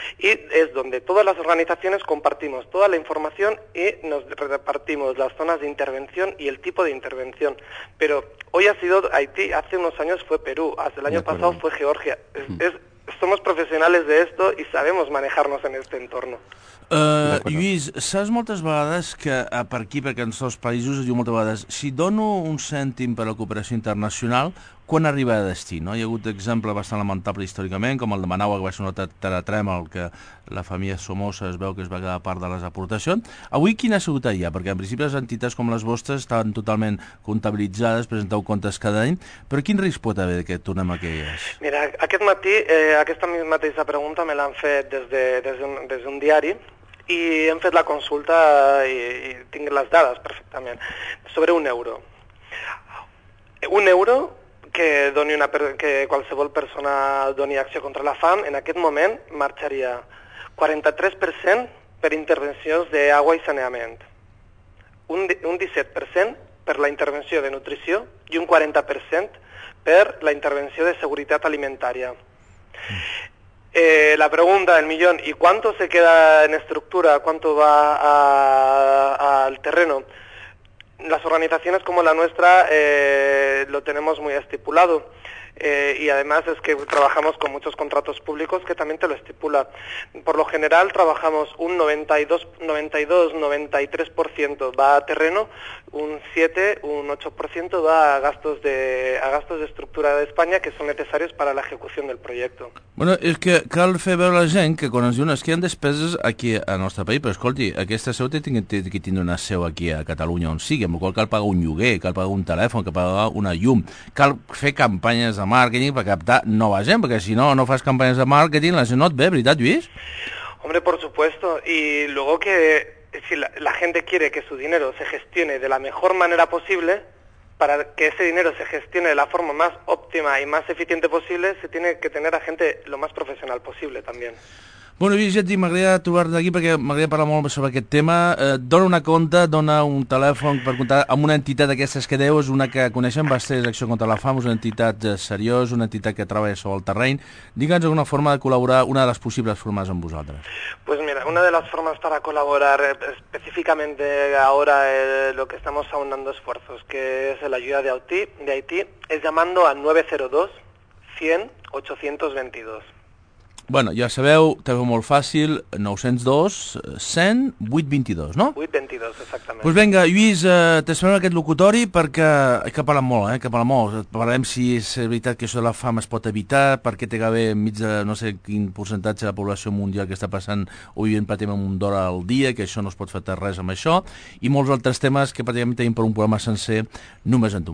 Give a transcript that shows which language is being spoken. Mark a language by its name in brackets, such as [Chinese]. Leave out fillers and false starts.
[Spanish] Y es donde todas las organizaciones compartimos toda la información y nos repartimos las zonas de intervención y el tipo de intervención. Pero hoy ha sido Haití, hace unos años fue Perú, hasta el año pasado fue Georgia. Somos profesionales de esto y sabemos manejarnos en este entorno. [Catalan] Lluís, saps moltes vegades que per aquí, perquè en els països, diu moltes vegades, si dono un cèntim per a la cooperació internacional, quan arriba a destí? No? Hi ha hagut exemple bastant lamentable històricament, com el de Managua, que va ser un terratrèmol, el que la família Somoza es veu que es va quedar part de les aportacions. Avui, quina ha sigut allà? Perquè en principi les entitats com les vostres estaven totalment comptabilitzades, presenteu comptes cada any, però quin risc pot haver que tornem a aquelles? Mira, aquest matí, aquesta mateixa pregunta me l'han fet des d'un diari, i hem fet la consulta i tinc les dades perfectament, sobre un euro. Un euro que qualsevol persona doni acció contra la fam, en aquest moment marxaria 43% per intervencions d'aigua i saneament, un 17% per la intervenció de nutrició i un 40% per la intervenció de seguretat alimentària. [Spanish] La pregunta del millón, ¿y cuánto se queda en estructura, cuánto va al terreno? Las organizaciones como la nuestra lo tenemos muy estipulado y además es que trabajamos con muchos contratos públicos que también te lo estipula. Por lo general trabajamos un 92-93% va a terreno, un 7-8% va a gastos de estructura de España que son necesarios para la ejecución del proyecto. [Catalan] Bueno, és que cal fer veure la gent que quan ens diuen que hi ha despeses aquí al nostre país, però escolti, aquesta seu té que tindre una seu aquí a Catalunya on sigui, amb la qual cal pagar un lloguer, cal pagar un telèfon, cal pagar una llum, cal fer campanyes de màrqueting per captar nova gent, perquè si no fas campanyes de màrqueting, la gent no et ve, veritat, Lluís? [Spanish] Hombre, por supuesto, y luego que si la gente quiere que su dinero se gestione de la mejor manera posible, para que ese dinero se gestione de la forma más óptima y más eficiente posible, se tiene que tener a gente lo más profesional posible también. [Catalan] Bueno, Lluís, ja et dic, m'agradaria trobar-te aquí perquè m'agradaria parlar molt sobre aquest tema. Dona una compte, dona un telèfon per comptar amb una entitat d'aquestes que deu, és una que coneixem bastant, Acció contra la Fam, una entitat seriosa, una entitat que treballa sobre el terreny. Digue'ns alguna forma de col·laborar, una de les possibles formes amb vosaltres. [Spanish] Pues mira, una de las formas para colaborar específicamente ahora lo que estamos aunando esfuerzos, que es la ayuda de Haití, es llamando al 902-100-822. [Catalan] Bueno, ja sabeu, també molt fàcil, 902-100-822, no? 822, exactament. [Spanish] Pues venga, [Catalan] Lluís, t'esperem aquest locutori perquè que parla molt, que parla molt. Parlem si és veritat que això de la fam es pot evitar, perquè té que haver enmig de no sé quin percentatge de la població mundial que està passant o vivint pràcticament un d'hora al dia, que això no es pot fer res amb això, i molts altres temes que pràcticament tenim per un programa sencer només en tu.